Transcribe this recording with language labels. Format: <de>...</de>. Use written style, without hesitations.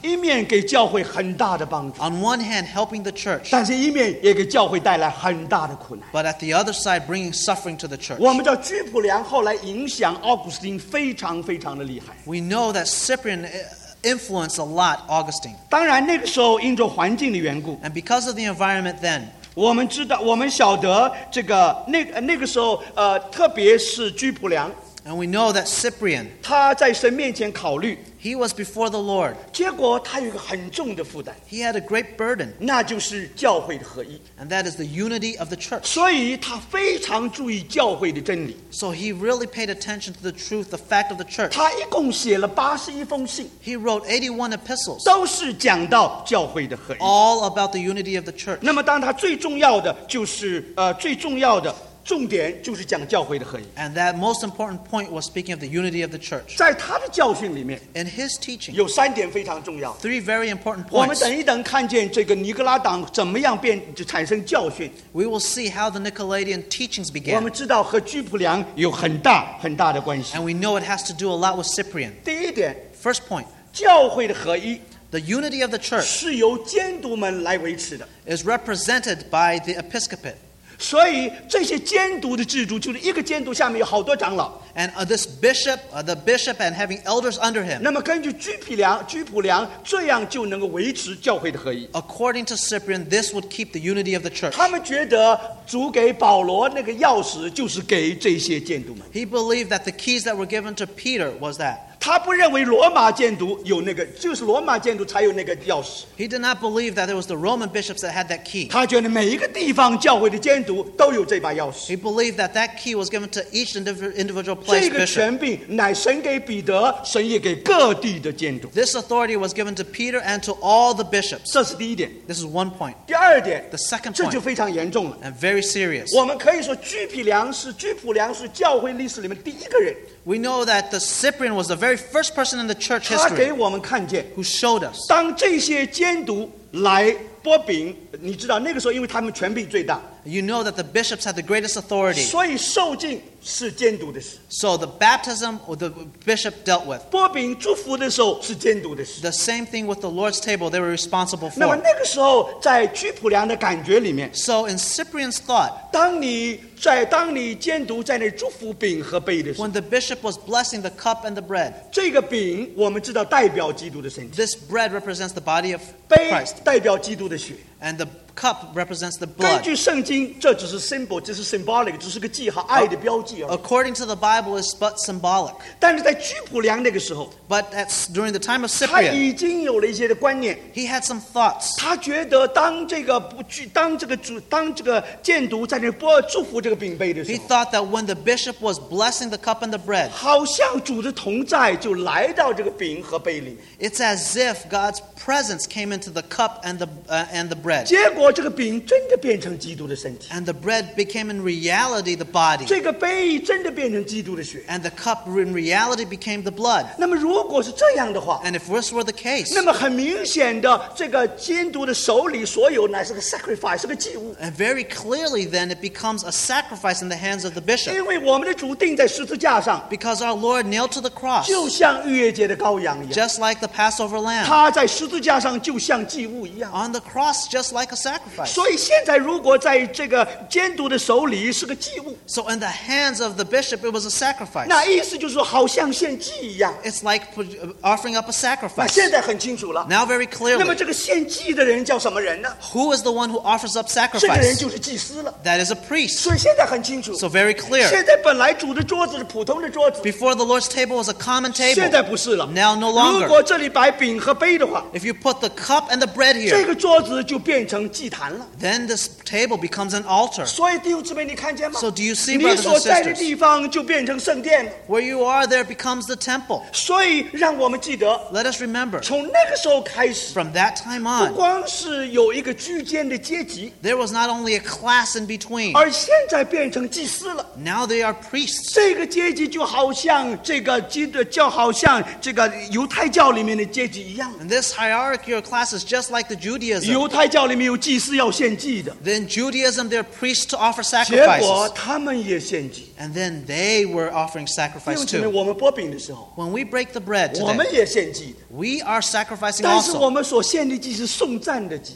<zh>一面给教会很大的帮助</zh> <en>on one hand helping the church,</en> <zh>但是一面也给教会带来很大的苦难</zh> <en>but at the other side bringing suffering to the church.</en> <zh>我们知道居普良后来影响奥古斯丁非常非常的厉害</zh> <en>We know that Cyprian influenced a lot Augustine.</en> <zh>当然那个时候因着环境的缘故</zh> <en>and because of the environment then,</en> <zh>我们知道我们晓得这个那个时候特别是居普良</zh> <en>and we know that Cyprian,</en> <zh>他在神面前考虑</zh> <en>He was before the Lord.</en> <zh>结果他有一个很重的负担。</zh> <en>He had a great burden.</en> <zh>那就是教会的合一。</zh> <en>And that is the unity of the church.</en> <zh>所以他非常注意教会的真理。</zh> <en>So he really paid attention to the truth, the fact of the church.</en> <zh>他一共写了81封信。</zh> <en>He wrote 81 epistles.</en> <zh>都是讲到教会的合一。</zh> <en>All about the unity of the church.</en> <zh>那么当他最重要的就是最重要的重点就是讲教会的合一。</zh> <en>And that most important point was speaking of the unity of the church.</en> <zh>在他的教训里面</zh> <en>，In his teaching,</en> <zh>有三点非常重要。</zh> <en>Three very important points.</en> <zh>我们等一等看见这个尼格拉党怎么样变就产生教训。</zh> <en>We will see how the Nicolaitan teachings began.</en> <zh>我们知道和居普良有很大很大的关系。</zh> <en>And we know it has to do a lot with Cyprian.</en> <zh>第一点</zh> <en>，First point，</en> <zh>教会的合一</zh> <en>The unity of the church</en> <zh>是由监督们来维持的</zh> <en>is represented by the episcopate.</en> <zh>所以这些监督的制度就是一个监督下面有好多长老</zh> <en>And this bishop, the bishop and having elders under him.</en> <zh>那么根据居普良这样就能够维持教会的合一</zh> <en>According to Cyprian, this would keep the unity of the church.</en> <zh>他们觉得主给保罗那个钥匙就是给这些监督们</zh> <en>He believed that the keys that were given to Peter was that.</en> <zh>他不认为罗马监督有那个，就是罗马监督才有那个钥匙。</zh> <en>He did not believe that it was the Roman bishops that had that key.</en> <zh>他觉得每一个地方教会的监督都有这把钥匙。</zh> <en>He believed that that key was given to each individual place bishop.</en> <zh>这个权柄乃神给彼得，神也给各地的监督。</zh> <en>This authority was given to Peter and to all the bishops.</en> <zh>这是第一点。</zh> <en>This is one point.</en> <zh>第二点。</zh> <en>The second</en> <zh>point. 这就非常严重了。</zh> <en>And very serious.</en> <zh>我们可以说居普良是教会历史里面第一个人。</zh> <en>We know that the Cyprian was the very first person in the church history</en> <zh>他给我们看见,</zh> <en>who showed us.</en> <zh>当这些监督来拨饼，你知道那个时候因为他们权柄最大。</zh> <en>You know that the bishops had the greatest authority.</en> <zh>所以受浸是监督的事。</zh> <en>So the baptism or the bishop dealt with.</en> <zh>拨饼祝福的时候是监督的事。</zh> <en>The same thing with the Lord's table they were responsible for.</en> <zh>那么那个时候在居普良的感觉里面。</zh> <en>So in Cyprian's thought.</en> <zh>当你监督在那祝福饼和杯的时候。</zh> <en>When the bishop was blessing the cup and the bread.</en> <zh>这个饼我们知道代表基督的身体。</zh> <en>This bread represents the body of Christ.</en> <zh>杯代表基督的血。</zh> <en>And the cup represents the blood.</en> <zh>根据圣经，这只是 symbol， 这是 symbolic， 只是个记号，爱的标记而已。</zh> <en>According to the Bible, it's but symbolic.</en> <zh>但是在居普良那个时候</zh> <en>，But during the time of Cyprian，</en> <zh>他已经有了一些的观念。</zh> <en>He had some thoughts.</en> <zh>他觉得当这个监督在那拨祝福这个饼杯的时候</zh> <en>，He thought that when the bishop was blessing the cup and the bread，</en> <zh>好像主的同在就来到这个饼和杯里。</zh> <en>It's as if God's presence came into the cup and the bread.</en> <zh>结果这个饼真的变成基督的身体。</zh> <en>And the bread became in reality the body.</en> <zh>这个杯真的变成基督的血。</zh> <en>And the cup in reality became the blood.</en> <zh>那么如果是这样的话</zh> <en>，And if this were the case，</en> <zh>那么很明显的，这个监督的手里所有乃是个 sacrifice， 是个祭物。</zh> <en>And very clearly then it becomes a sacrifice in the hands of the bishop.</en> <zh>因为我们的主钉在十字架上</zh> <en>，Because our Lord nailed to the cross，</en> <zh>就像逾越节的羔羊一样</zh> <en>，Just like the Passover lamb，</en> <zh>他在十字架上就像祭物一样</zh> <en>，On the cross just like a sacrifice.</en> <zh>所以现在如果在这个监督的手里是个祭物</zh> <en>So in the hands of the bishop it was a sacrifice.</en> <zh>那意思就是说好像献祭一样</zh> <en>It's like offering up a sacrifice.</en> <zh>那现在很清楚了</zh> <en>Now very clearly.</en> <zh>那么这个献祭的人叫什么人呢</zh> <en>Who is the one who offers up sacrifice?</en> <zh>这个人就是祭司了</zh> <en>That is a priest.</en> <zh>所以现在很清楚</zh> <en>So very clear.</en> <zh>现在本来主的桌子是普通的桌子</zh> <en>Before the Lord's table was a common table.</en> <zh>现在不是了</zh> <en>Now no longer.</en> <zh>如果这里摆饼和杯的话</zh> <en>If you put the cup and the bread here.</en> <zh>这个桌子就变成</zh> <en>Then this table becomes an altar.</en> <zh>所以弟兄姊妹，你看见吗？</zh> <en>So do you see, brothers and sisters?</en> <zh>你所在的地方就变成圣殿。</zh> <en>Where you are, there becomes the temple.</en> <zh>所以让我们记得。</zh> <en>Let us remember.</en> <zh>从那个时候开始。</zh> <en>From that time on.</en> <zh>不光是有一个居间的阶级。</zh> <en>There was not only a class in between.</en> <zh>而现在变成祭司了。</zh> <en>Now they are priests.</en> <zh>这个阶级就好像这个基督教，好像这个犹太教里面的阶级一样。</zh> <en>And this hierarchy or class is just like the Judaism.</en> <zh>犹太教里面有祭司要献祭的。</zh> <en>Then Judaism, their priests to offer sacrifices.</en> <zh>结果他们也献祭。</zh> <en>And then they were offering sacrifice too.</en> <zh>因为我们拨饼的时候</zh> <en>，When we break the bread today,</en> <zh>我们也献祭。</zh> <en>We are sacrificing</en> <zh>also. 但是我们所献的祭是颂赞的祭。</zh>